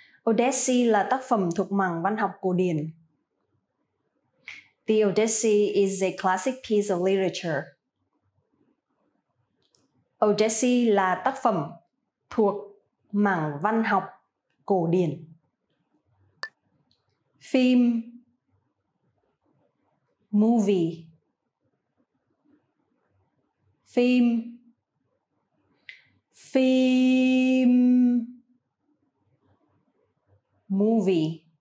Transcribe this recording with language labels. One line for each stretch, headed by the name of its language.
Vietnamese: Odyssey là tác phẩm thuộc mảng văn học cổ điển.
English: The Odyssey is a classic piece of literature.
Vietnamese: Odyssey là tác phẩm thuộc mảng văn học cổ điển. Phim,
English: movie,
Vietnamese: phim, phim, movie.